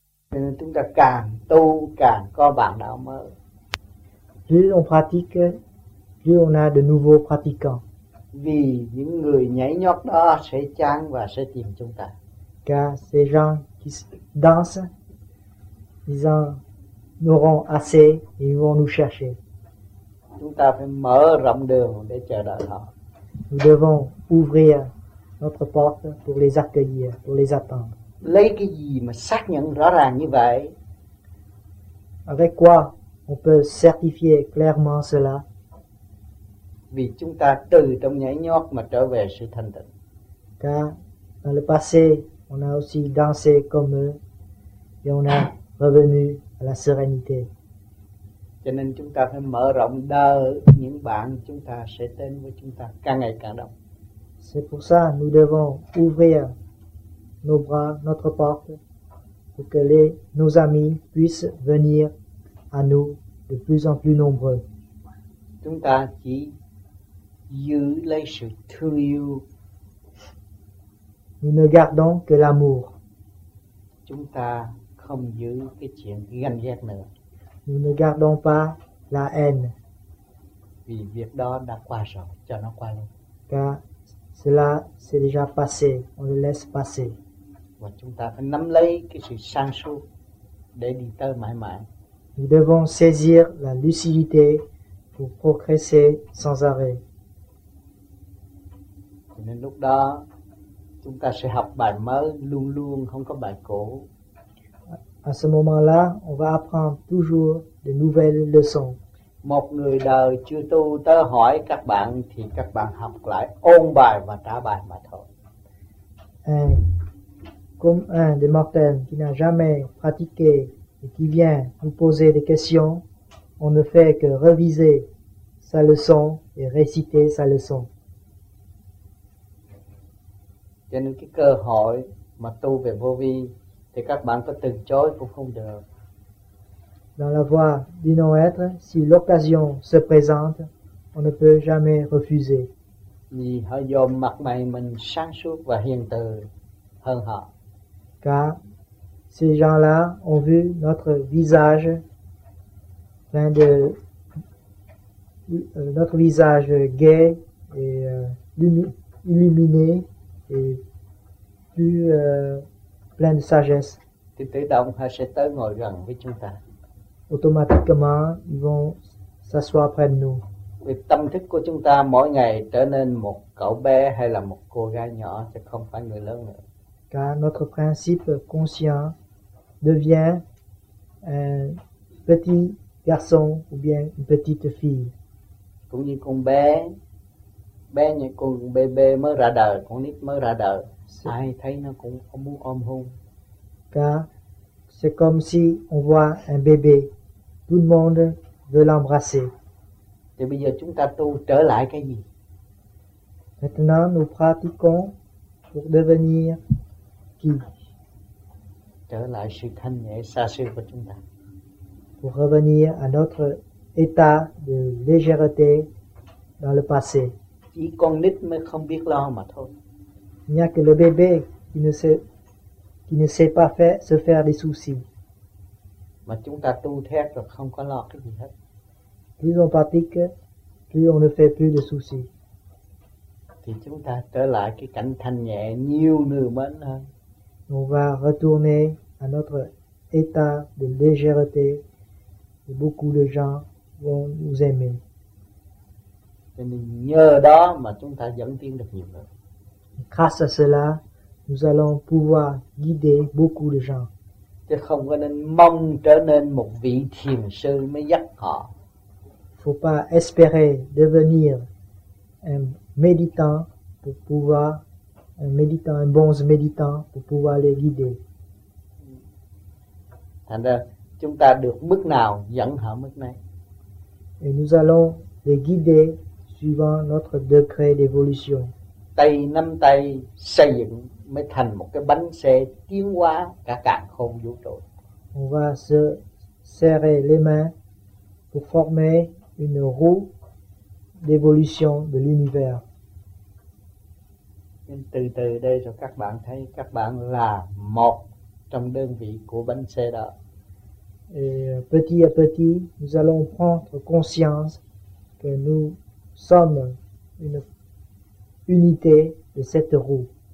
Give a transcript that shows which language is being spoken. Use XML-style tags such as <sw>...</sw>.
<vi>Cho nên chúng ta càng tu càng có bạn đạo mới.</vi> <fr>Plus on pratique, plus on a de nouveaux pratiquants.</fr> <vi>Vì những người nhảy nhót đó sẽ chán và sẽ tìm chúng ta.</vi> <fr>Car ces gens qui dansent, ils en auront assez et ils vont nous chercher.</fr> <vi>Chúng ta phải mở rộng đường để chờ đợi họ.</vi> <fr>Nous devons ouvrir notre porte pour les accueillir, pour les attendre.</fr> <vi>Lấy cái gì mà xác nhận rõ ràng như vậy?</vi> <fr>Avec quoi on peut certifier clairement cela?</fr> <vi>Vì chúng ta từ trong nhảy nhót mà trở về sự thanh tịnh.</vi> <fr>Car dans le passé, on a aussi dansé comme eux et on a revenu à la sérénité.</fr> <vi>Cho nên chúng ta phải mở rộng đỡ những bạn chúng ta sẽ đến với chúng ta càng ngày càng đông.</vi> <fr>C'est pour ça que nous devons ouvrir nos bras, notre porte, pour que nos amis puissent venir à nous de plus en plus nombreux.</fr> <vi>Chúng ta chỉ giữ lấy sự thương yêu.</vi> <fr>Nous ne gardons que l'amour.</fr> <vi>Chúng ta không giữ cái chuyện ganh ghét nữa.</vi> <fr>Nous ne gardons pas la haine.</fr> <vi>Vì việc đó đã qua rồi, cho nó qua luôn.</vi> <fr>Car cela s'est déjà passé, on le laisse passer.</fr> <vi>Và chúng ta phải nắm lấy cái sự sáng suốt để đi tới mãi mãi.</vi> <fr>Nous devons saisir la lucidité pour progresser sans arrêt.</fr> <vi>Cho nên lúc đó chúng ta sẽ học bài mới luôn luôn, không có bài cũ.</vi> <fr>À ce moment-là, on va apprendre toujours de nouvelles leçons.</fr> <vi>Một người đời chưa tu tới hỏi các bạn thì các bạn học lại ôn bài và trả bài mà thôi.</vi> <fr>Comme un des mortels qui n'a jamais pratiqué et qui vient nous poser des questions, on ne fait que reviser sa leçon et réciter sa leçon.</fr> <vi>Cho nên cái cơ hội mà tu về vô vi thì các bạn có từ chối cũng không được.</vi> <fr>Dans la voie du non-être, si l'occasion se présente, on ne peut jamais refuser.</fr> <vi>Vì họ dùng mặt mày mình sáng suốt và hiền từ hơn họ.</vi> <fr>Car ces gens-là ont vu notre visage plein de notre visage gai et illuminé et plus plein de sagesse.</fr> <vi>Thì tự động họ sẽ tới ngồi gần với chúng ta.</vi> <fr>Automatiquement, ils vont s'asseoir près de nous.</fr> <vi>Vì tâm thức của chúng ta mỗi ngày trở nên một cậu bé hay là một cô gái nhỏ, chứ không phải người lớn nữa.</vi> <fr>Car notre principe conscient devient un petit garçon ou bien une petite fille.</fr> <vi>Cũng như con bé như con bébé mới ra đời, con nít mới ra đời. Ai thấy nó cũng muốn ôm hôn.</vi> <fr>Car c'est comme si on voit un bébé. Tout le monde veut l'embrasser.</fr> <vi>Thì bây giờ chúng ta tu trở lại cái gì?</vi> <fr>Maintenant nous pratiquons pour devenir qui?</fr> <vi>Trở lại sự thanh nhẹ xa xưa của chúng ta.</vi> <fr>Pour revenir à notre état de légèreté dans le passé.</fr> <vi>Chỉ con nít mới không biết lo mà thôi.</vi> <fr>Il n'y a que le bébé qui ne sait pas se faire des soucis.</fr> <vi>Mà chúng ta tu thét rồi không có lo cái gì hết.</vi> <fr>Plus on pratique, plus on ne fait plus de soucis.</fr> <vi>Thì chúng ta trở lại cái cảnh thanh nhẹ nhiều nửa mến hơn.</vi> <fr>On va retourner à notre état de légèreté et beaucoup de gens vont nous aimer.</fr> <vi>Cho nên nhờ đó mà chúng ta dẫn tiến được nhiều hơn.</vi> <fr>Grâce à cela, nous allons pouvoir guider beaucoup de gens.</fr> <vi>Chứ không có nên mong trở nên một vị thiền sư mới dắt họ.</vi> <fr>Faut pas espérer devenir un méditant pour pouvoir un bon méditant pour pouvoir les guider.</fr> <vi>Thành ra chúng ta được mức nào dẫn họ mức này.</vi> <fr>Et nous allons les guider suivant notre degré d'évolution.</fr> <vi>Tay nắm tay xây dựng mới thành một cái bánh xe tiến hóa cả càn khôn vũ trụ.</vi> <fr>On va se serrer les mains pour former une roue d'évolution de l'univers.</fr> <vi>Từ từ đây rồi các bạn thấy các bạn là một trong đơn vị của bánh xe đó.</vi> <fr>Et petit à petit, nous allons prendre conscience que nous sommes une unité de cette roue.</fr>